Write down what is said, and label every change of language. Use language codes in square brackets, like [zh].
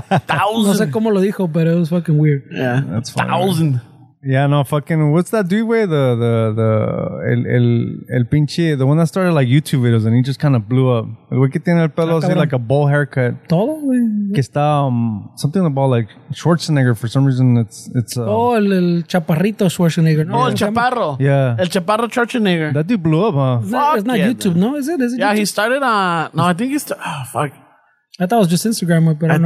[es] No sé cómo lo dijo, pero [en] it was fucking weird. Yeah. That's funny. Thousand. Man. Yeah, no, fucking, what's that dude, güey? The [es] el pinche, [en] the one that started like YouTube videos and he just kind of blew up. [es] El güey que tiene el pelo así, [en] like a bowl haircut. [es] Todo, güey. Que está [en] something about like Schwarzenegger for some reason it's [es] el chaparrito Schwarzenegger. No, yeah. El chaparro. [en] Yeah. [es] El chaparro Schwarzenegger. [en] That dude blew up, huh? It's not YouTube, man. No, is it? Yeah, YouTube? He started on I think I thought it was just Instagram, but I don't